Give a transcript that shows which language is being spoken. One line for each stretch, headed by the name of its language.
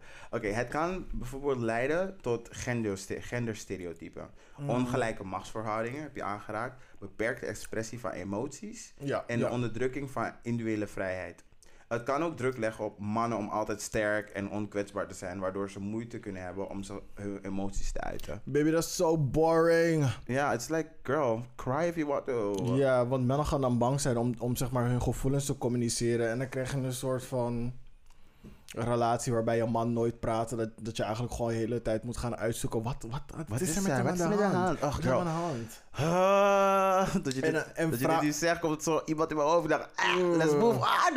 Dutch: Het kan bijvoorbeeld leiden tot genderstereotypen. Mm. Ongelijke machtsverhoudingen, heb je aangeraakt. Beperkte expressie van emoties. Ja, en ja. de onderdrukking van individuele vrijheid. Het kan ook druk leggen op mannen om altijd sterk en onkwetsbaar te zijn, waardoor ze moeite kunnen hebben om hun emoties te uiten. Baby, dat is zo boring.
English: Ja, it's like, girl, cry if you want to.
Dutch: Ja, want mannen gaan dan bang zijn om zeg maar hun gevoelens te communiceren. En dan krijg je een soort van een relatie waarbij je man nooit praat, dat je eigenlijk gewoon de hele tijd moet gaan uitzoeken. Wat is er met hem aan de hand? Ach, girl. Aan de hand? Dat je dit zegt, komt zo iemand in mijn hoofd en dacht,
English: let's move on.